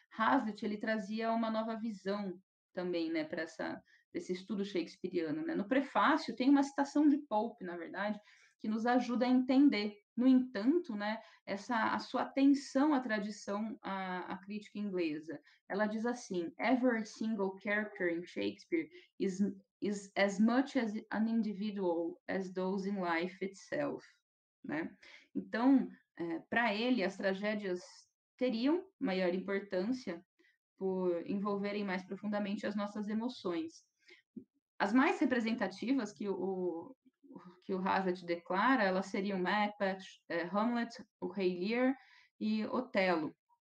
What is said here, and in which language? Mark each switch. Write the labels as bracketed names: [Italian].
[Portuguese] Hazlitt ele trazia uma nova visão também, né, para esse estudo shakespeariano. Né? No prefácio tem uma citação de Pope, na verdade, que nos ajuda a entender. No entanto, né, a sua atenção à tradição, à crítica inglesa. Ela diz assim, [English] "Every single character in Shakespeare is as much as an individual as those in life itself." [Portuguese] Né? Então, para ele, as tragédias teriam maior importância por envolverem mais profundamente as nossas emoções. As mais representativas que o Hazlitt declara, elas seriam Macbeth, Hamlet, o Rei Lear e Otelo.